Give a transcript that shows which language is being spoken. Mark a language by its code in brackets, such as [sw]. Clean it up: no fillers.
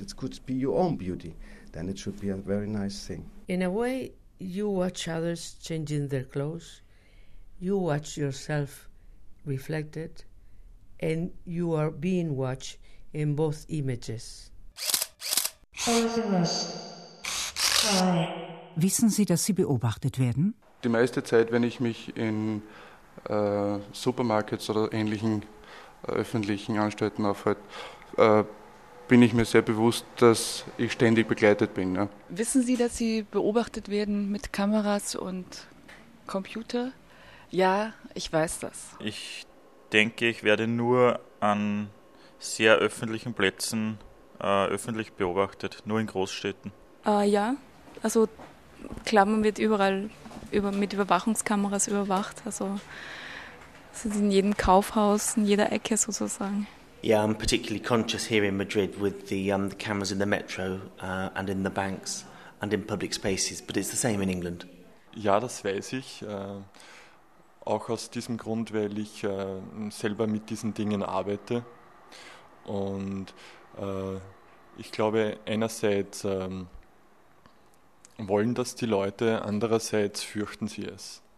[en] It could be your own beauty. Then it should be a very nice thing. In a way, you watch others changing their clothes. You watch yourself reflected. And you are being watched in both images. [de] Wissen Sie, dass Sie beobachtet werden? Die meiste Zeit, wenn ich mich in Supermarkets oder ähnlichen öffentlichen Anstalten aufhalte, bin ich mir sehr bewusst, dass ich ständig begleitet bin. Ja. Wissen Sie, dass Sie beobachtet werden mit Kameras und Computer? Ja, ich weiß das. Ich denke, ich werde nur an sehr öffentlichen Plätzen öffentlich beobachtet, nur in Großstädten. Ja, also klar, man wird überall mit Überwachungskameras überwacht, also sind in jedem Kaufhaus, in jeder Ecke sozusagen. [en] Yeah, I'm particularly conscious here in Madrid with the cameras in the metro and in the banks and in public spaces, but it's the same in England. [de] Ja, das weiß ich. Auch aus diesem Grund, weil ich selber mit diesen Dingen arbeite. Und ich glaube, einerseits wollen das die Leute, andererseits fürchten sie es.